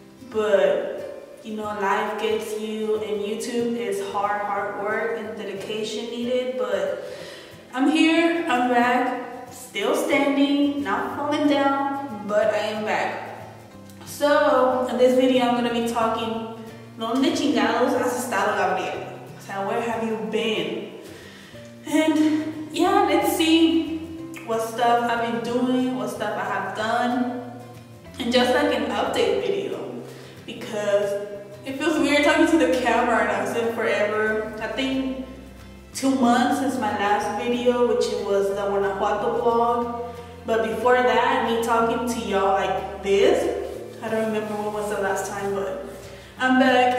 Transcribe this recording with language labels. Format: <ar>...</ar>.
<en>But, you know, life gets you, and YouTube is hard, hard work and dedication needed. But I'm here, I'm back, still standing, not falling down, but I am back. So, in this video, I'm gonna be talking.</en> <es>¿Dónde chingados has estado, Gabriel?</es> <en>And where have you been? And yeah, let's see what stuff I've been doing, what stuff I have done, and just like an update video, because it feels weird talking to the camera and I've said forever. I think 2 months since my last video, which it was the Guanajuato vlog, but before that, me talking to y'all like this, I don't remember when was the last time, but I'm back.</en>